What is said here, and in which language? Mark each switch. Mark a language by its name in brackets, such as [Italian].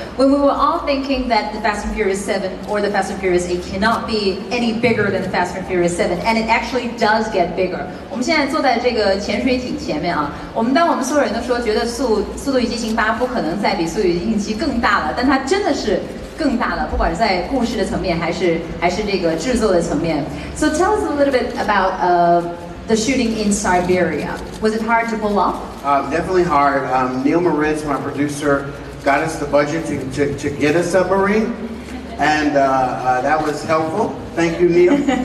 [English] When we were all thinking that the Fast and Furious 7 or the Fast and Furious 8 cannot be any bigger than the Fast and Furious 7, and it actually does get bigger. [Chinese] 我们现在坐在这个潜水艇前面啊，我们当我们所有人都说觉得速度与激情8不可能再比速度与激情7更大了，但它真的是更大了，不管在故事的层面还是这个制作的层面。 [English] So tell us a little bit about the shooting in Siberia. Was it hard to pull off? Definitely hard. Neil Moritz, my producer, got us the budget to get a submarine, and that was helpful. Thank you, Neil.